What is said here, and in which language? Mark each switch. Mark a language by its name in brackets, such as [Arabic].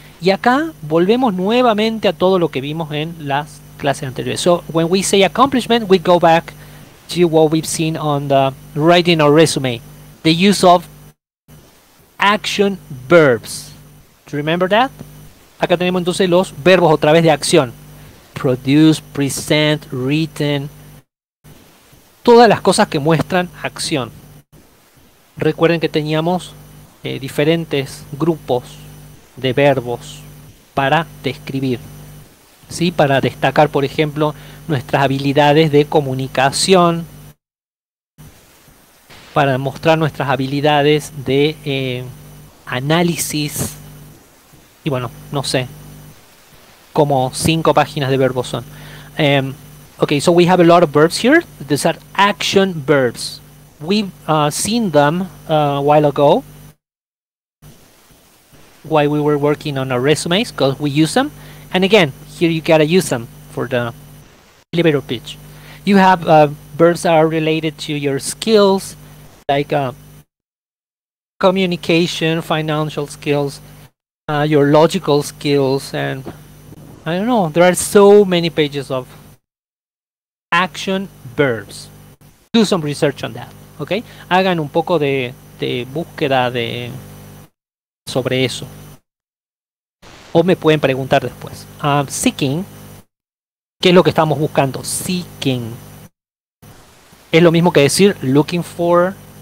[Spanish] Y acá volvemos nuevamente a todo lo que vimos en las clases anteriores. [English] So, when we say accomplishment, we go back to what we've seen on the writing or resume. The use of action verbs. Do you remember that? [Spanish] Acá tenemos entonces los verbos otra vez de acción. Produce, present, written. Todas las cosas que muestran acción. Recuerden que teníamos diferentes grupos de verbos para describir, ¿sí? Para destacar, por ejemplo, nuestras habilidades de comunicación, para mostrar nuestras habilidades de análisis, y bueno, no sé, como 5 páginas de verbos son. [English] Okay, so we have a lot of verbs here. These are action verbs. We've seen them a while ago while we were working on our resumes, because we use them. And again, here you gotta use them for the elevator pitch. You have verbs that are related to your skills, like communication, financial skills, your logical skills, and I don't know, there are so many pages of action verbs. Do some research on that, okay? [Spanish] Hagan un poco de búsqueda de sobre eso. O me pueden preguntar después. Seeking. ¿Qué es lo que estamos buscando? Seeking. Es lo mismo que decir [English] looking for.